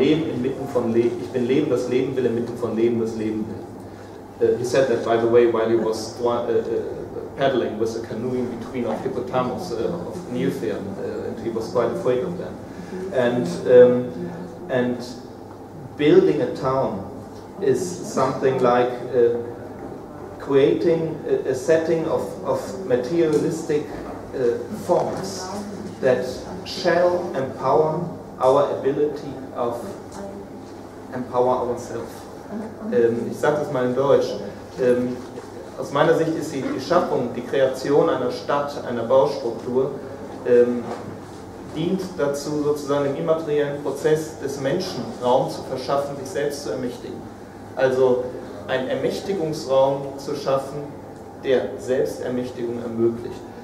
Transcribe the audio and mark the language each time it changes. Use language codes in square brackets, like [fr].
[de] Ich bin Leben, das Leben will, inmitten von Leben, das Leben will. [en] He said that, by the way, while he was paddling with a canoeing between of hippopotamus of Nilfheim, and he was quite afraid of that. And building a town is something like creating a setting of materialistic forms that shall empower our ability of empower ourselves. [de] Ich sage das mal in Deutsch. Aus meiner Sicht ist die Schaffung, die Kreation einer Stadt, einer Baustruktur, dient dazu, sozusagen im immateriellen Prozess des Menschen Raum zu verschaffen, sich selbst zu ermächtigen. Also einen Ermächtigungsraum zu schaffen, der Selbstermächtigung ermöglicht.